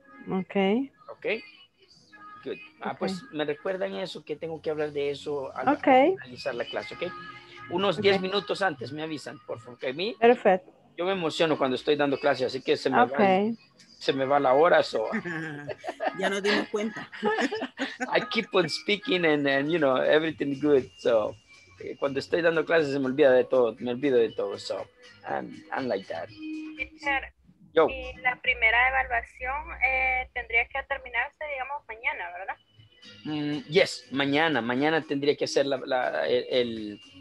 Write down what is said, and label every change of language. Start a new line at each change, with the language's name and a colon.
English: Ok. Good.
Spanish: Pues me recuerdan eso, que tengo que hablar de eso al finalizar la clase, ¿ok? Unos 10 minutos antes me avisan, por favor, que a mí. Perfecto. Yo me emociono cuando estoy dando clases, así que se me va la hora, so. Ya nos dimos cuenta.
English: I keep on speaking and you know, everything good, so.
Spanish: Cuando estoy dando clases se me olvida de todo, so.
English: I'm like that.
Spanish: Yo. Y la primera evaluación tendría que terminarse, digamos, mañana, ¿verdad? Yes, mañana tendría que hacer el...